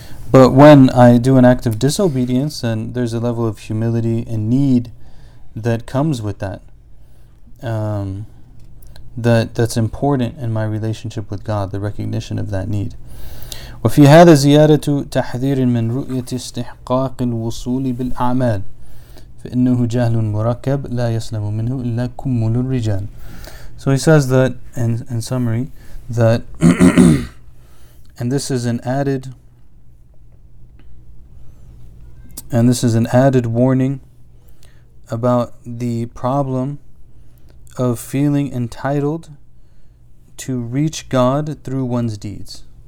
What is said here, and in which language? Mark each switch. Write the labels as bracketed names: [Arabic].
[English] But when I do an act of disobedience, then there's a level of humility and need that comes with that. That's important in my relationship with God, the recognition of that need. [Arabic] وفي هذا زيادة تحذير من رؤية استحقاق الوصول بالأعمال فإنه جهل مركب لا يسلم منه إلا كمل الرجال. [English] So he says that in summary that and this is an added warning about the problem of feeling entitled to reach God through one's deeds.